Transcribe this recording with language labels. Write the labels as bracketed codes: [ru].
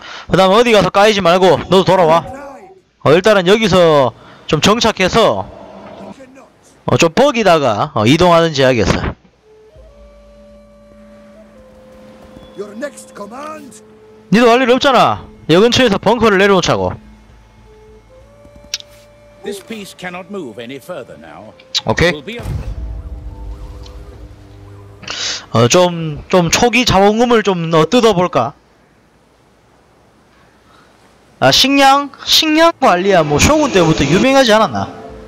[ko] 그 다음에 어디가서 까이지 말고 너도 돌아와. 일단은 여기서 좀 정착해서 좀 버기다가 이동하는지 해야겠어. [en] Your next command. [ko] 니도 할 일 없잖아. 여 근처에서 벙커를 내려놓자고. [en] This piece cannot move any further now. 오케이. [ko] 좀 초기 자원금을 좀 뜯어볼까? 아 식량 관리야 뭐 쇼군 때부터 유명하지 않았나?